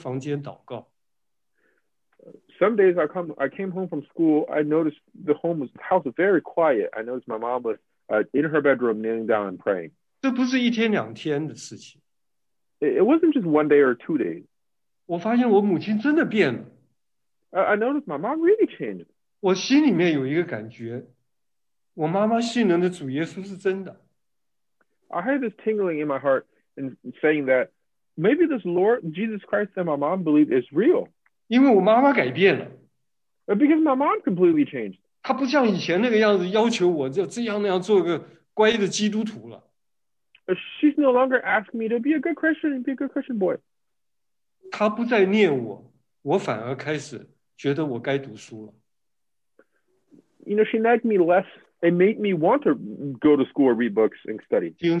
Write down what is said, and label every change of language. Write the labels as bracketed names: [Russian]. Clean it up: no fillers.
[Chinese] 有时下午回到家呢，家里很安静的，我发现我母亲跪在她的房间祷告。 [English] Some days I came home from school, I noticed the house was very quiet. I noticed my mom was in her bedroom kneeling down and praying. [Chinese] 这不是一天两天的事情。 [English] It wasn't just one day or two days. [Chinese] 我发现我母亲真的变了。 [English] I noticed my mom really changed. [Chinese] 我心里面有一个感觉，我妈妈信任的主耶稣是真的。 [English] I had this tingling in my heart and saying that maybe this Lord Jesus Christ that my mom believed is real. [Chinese] 因为我妈妈改变了。 [English] Because my mom completely changed. [Chinese] 她不像以前那个样子要求我这样那样做个乖的基督徒了。 [English] She's no longer asking me to be a good Christian and be a good Christian boy. [Chinese] 她不再念我，我反而开始。觉得我该读书了。 [English] You know, she nagged me less and made me want to go to school, read books, and study.